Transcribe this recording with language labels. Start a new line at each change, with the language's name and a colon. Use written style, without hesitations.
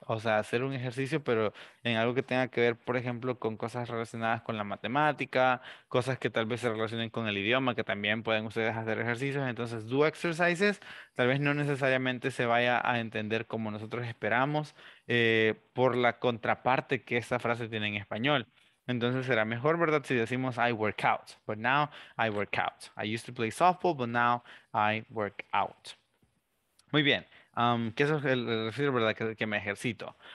Spanish: O sea, hacer un ejercicio, pero en algo que tenga que ver, por ejemplo, con cosas relacionadas con la matemática, cosas que tal vez se relacionen con el idioma, que también pueden ustedes hacer ejercicios. Entonces, do exercises tal vez no necesariamente se vaya a entender como nosotros esperamos por la contraparte que esta frase tiene en español. Entonces, será mejor, ¿verdad?, si decimos
English: I work out. But now, I work out. I used to play softball, but now I work out.
Spanish: Muy bien. Que eso es el refiero, ¿verdad?, que me ejercito.